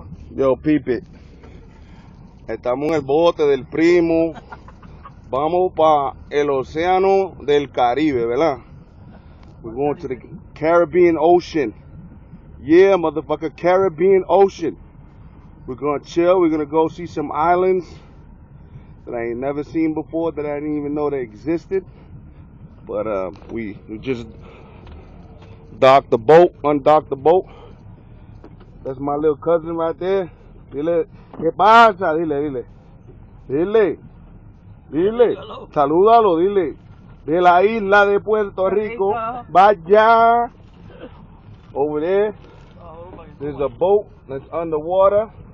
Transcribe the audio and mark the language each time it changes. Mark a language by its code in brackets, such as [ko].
[es] Yo, Pipe, estamos en el bote del primo. Vamos para el océano del Caribe, ¿verdad? [en] We're going to the Caribbean Ocean. Yeah, motherfucker, Caribbean Ocean. We're gonna chill, we're gonna go see some islands that I ain't never seen before, that I didn't even know they existed. But we just docked the boat, undocked the boat. That's my little cousin right there. [es] Dile, ¿qué pasa? Dile, dile. Dile. Dile. Salúdalo, dile. De la isla de Puerto Rico. [en] Vaya. Over there. There's a boat that's underwater.